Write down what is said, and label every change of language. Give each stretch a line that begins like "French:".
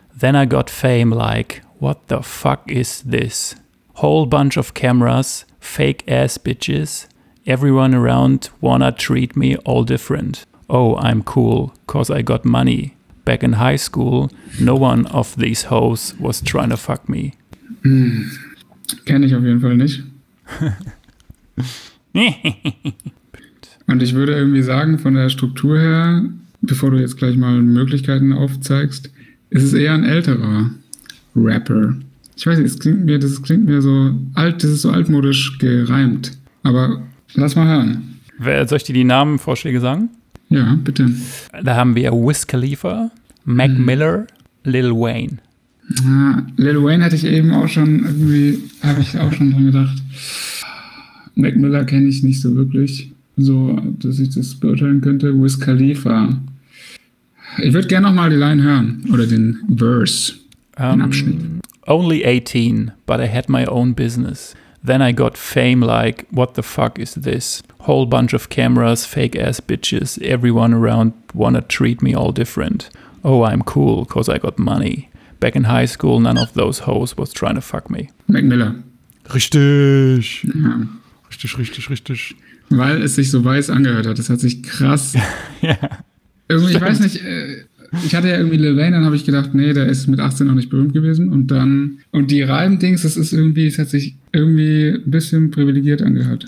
English: Then I got fame like... What the fuck is this? Whole bunch of cameras, fake ass bitches. Everyone around wanna treat me all different. Oh, I'm cool, cause I got money. Back in high school, no one of these hoes was trying to fuck me.
German: Kenne ich auf jeden Fall nicht. Und ich würde irgendwie sagen, von der Struktur her, bevor du jetzt gleich mal Möglichkeiten aufzeigst, ist es eher ein älterer Rapper. Ich weiß nicht, das klingt mir so alt, das ist so altmodisch gereimt. Aber lass mal hören. Soll ich dir die Namenvorschläge sagen? Ja, bitte. Da haben wir Wiz Khalifa, Mac Miller, Lil Wayne. Ah, Lil Wayne hatte ich eben auch schon irgendwie, habe ich auch schon dran gedacht. Mac Miller kenne ich nicht so wirklich, so dass ich das beurteilen könnte. Wiz Khalifa. Ich würde gerne nochmal die Line hören oder den Verse.
English: Only 18, but I had my own business. Then I got fame like, what the fuck is this? Whole bunch of cameras, fake ass bitches, everyone around wanna treat me all different. Oh, I'm cool, cause I got money. Back in high school, none of those hoes was trying to fuck me.
German: Mac Miller. Richtig. Ja. Richtig, richtig, richtig. Weil es sich so weiß angehört hat, das hat sich krass. Ja. Irgendwie, ich weiß nicht. Ich hatte ja irgendwie Lil Wayne, dann habe ich gedacht, nee, der ist mit 18 noch nicht berühmt gewesen. Und die Reim-Dings, das ist irgendwie, es hat sich irgendwie ein bisschen privilegiert angehört.